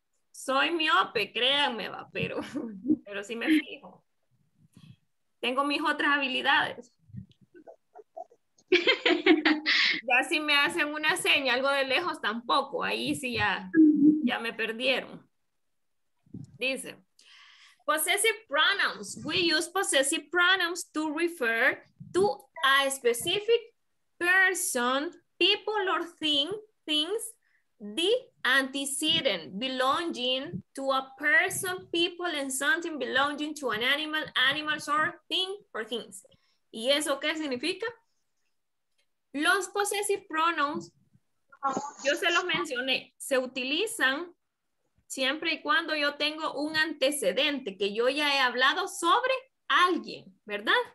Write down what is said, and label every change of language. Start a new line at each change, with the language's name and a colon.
Spanish: Soy miope, créanme, va, pero sí me fijo. Tengo mis otras habilidades. Ya si me hacen una seña algo de lejos tampoco, ahí sí ya me perdieron. Dice,
English: Possessive pronouns. We use possessive pronouns to refer to a specific person, people, or things, the antecedent belonging to a person, people, and something belonging to an animal, animals, or thing, or things.
Spanish: ¿Y eso qué significa? Los possessive pronouns, yo se los mencioné, se utilizan siempre y cuando yo tengo un antecedente, que yo ya he hablado sobre alguien, ¿verdad?